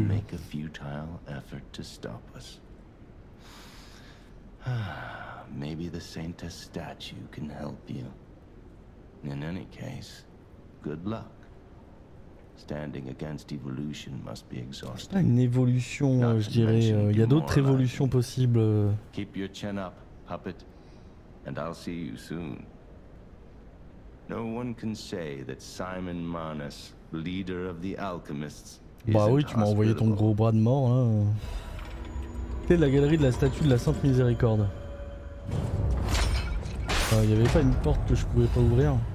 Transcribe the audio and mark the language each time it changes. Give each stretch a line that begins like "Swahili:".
English: You'll make a futile effort to stop us. Maybe the Sainta statue can help you. In any case, good luck. Standing against evolution must be exhausting.
French: Une évolution, je dirais. Il y a d'autres évolutions possibles.
English: Keep your chin up, puppet, and I'll see you soon. No one can say that Simon Manus, leader of the alchemists,
French: bah oui, tu m'as envoyé ton gros bras de mort, hein. C'était la galerie de la statue de la Sainte Miséricorde. Il n'y avait pas une porte que je pouvais pas ouvrir.